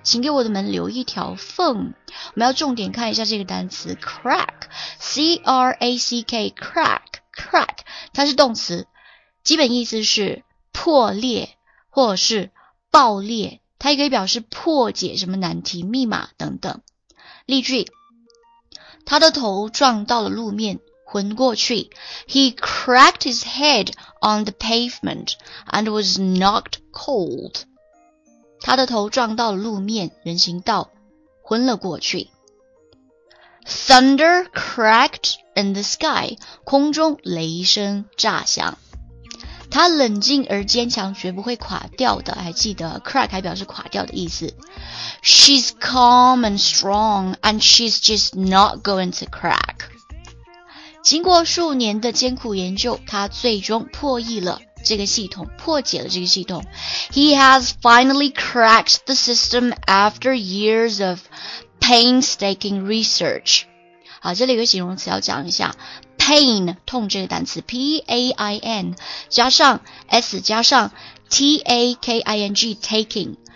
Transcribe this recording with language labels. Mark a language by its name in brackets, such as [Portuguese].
[Chinese] 请给我的门留一条缝。我们要重点看一下这个单词 crack, C-R-A-C-K, crack, crack. 它是动词，基本意思是破裂或者是爆裂。它也可以表示破解什么难题、密码等等。例句，他的头撞到了路面。昏过去 [English] He cracked his head on the pavement and was knocked cold. [Chinese] 他的头撞到路面人行道昏了过去。 [English] Thunder cracked in the sky. [Chinese] 空中雷声炸响。他冷静而坚强，绝不会垮掉的。还记得 crack 还表示垮掉的意思。 [English] She's calm and strong and she's just not going to crack. [Chinese] 经过数年的艰苦研究，他最终破译了这个系统，破解了这个系统。 [English] He has finally cracked the system after years of painstaking research. [Chinese] 好，这里有个形容词要讲一下。Pain, 痛这个单词 ,P-A-I-N, 加上 S, 加上 T-A-K-I-N-G, taking.